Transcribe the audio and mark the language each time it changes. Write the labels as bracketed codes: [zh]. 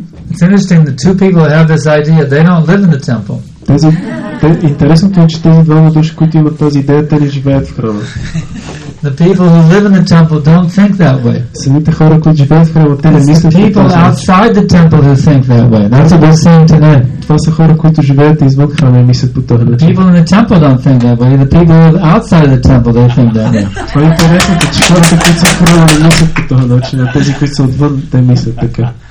[en] It's interesting, the two people have this idea, they don't live in the temple. [bg] Интересното е, че тези двама души, които имат тази идея, те не живеят в храма. [en] The people who live in the temple don't think that way. [bg] Самите хора, които живеят в храма, те не мислят по този начин. [en] People outside the temple who think that way. That's what they're saying today. [bg] Това са хора, които живеят извън храма и мислят по този начин. [en] People in the temple don't think that way. The people outside the temple, they think that way. [bg] Това е интересното, че хората, които са в храма, не мислят по този начин, а тези, които са отвън, те мислят така.